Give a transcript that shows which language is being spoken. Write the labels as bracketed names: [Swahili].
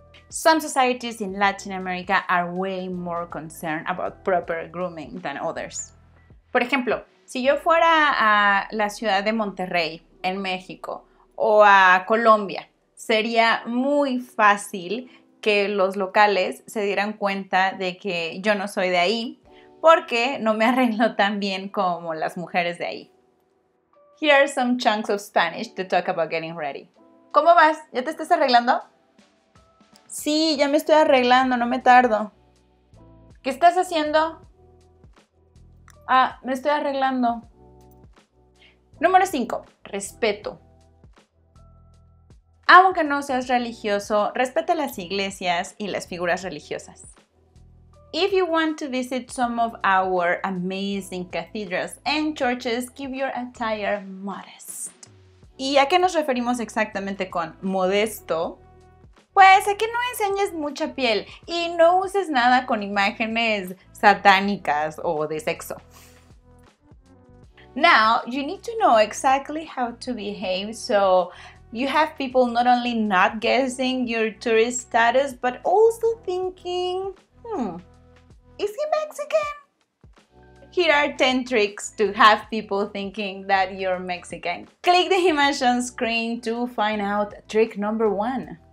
[English] Some societies in Latin America are way more concerned about proper grooming than others. [Spanish] Por ejemplo, si yo fuera a la ciudad de Monterrey, en México, o a Colombia, sería muy fácil que los locales se dieran cuenta de que yo no soy de ahí porque no me arreglo tan bien como las mujeres de ahí. [English] Here are some chunks of Spanish to talk about getting ready. [Spanish] ¿Cómo vas? ¿Ya te estás arreglando? Sí, ya me estoy arreglando, no me tardo. ¿Qué estás haciendo? Ah, me estoy arreglando. Número 5. Respeto. Aunque no seas religioso, respeta las iglesias y las figuras religiosas. [English] If you want to visit some of our amazing cathedrals and churches, keep your attire modest. [Spanish] ¿Y a qué nos referimos exactamente con modesto? Pues a que no enseñes mucha piel y no uses nada con imágenes satánicas o de sexo. [English] Now, you need to know exactly how to behave so you have people not only not guessing your tourist status, but also thinking, is he Mexican? Here are 10 tricks to have people thinking that you're Mexican. Click the image on screen to find out trick number 1.